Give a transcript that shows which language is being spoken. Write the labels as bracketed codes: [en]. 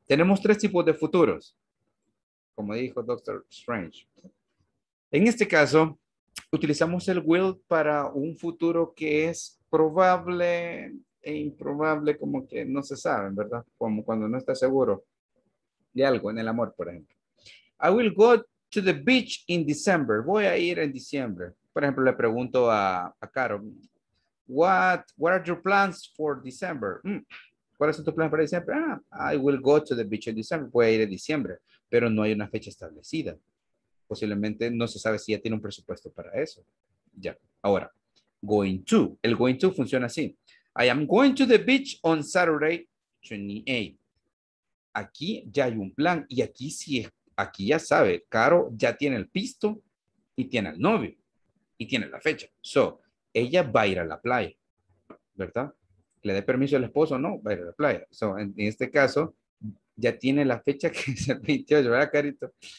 [es] Tenemos tres tipos de futuros. Como dijo Dr. Strange. En este caso, utilizamos el will para un futuro que es probable e improbable, como que no se sabe, ¿verdad? Como cuando no está seguro de algo, en el amor, por ejemplo. [en] I will go to the beach in December. [es] Voy a ir en diciembre. Por ejemplo, le pregunto a Caro, [en] what are your plans for December? [es] ¿Cuáles son tus planes para diciembre? [en] I will go to the beach in December. [es] Voy a ir en diciembre. Pero no hay una fecha establecida. Posiblemente no se sabe si ya tiene un presupuesto para eso. Ya. Ahora, going to. El going to funciona así. [en] I am going to the beach on Saturday 28. [es] Aquí ya hay un plan y aquí sí es. Aquí ya sabe, Caro ya tiene el pisto y tiene el novio y tiene la fecha. So, ella va a ir a la playa, ¿verdad? Le dé permiso al esposo, no, va a ir a la playa. So, en este caso, ya tiene la fecha que se admitió, ¿verdad, Carito?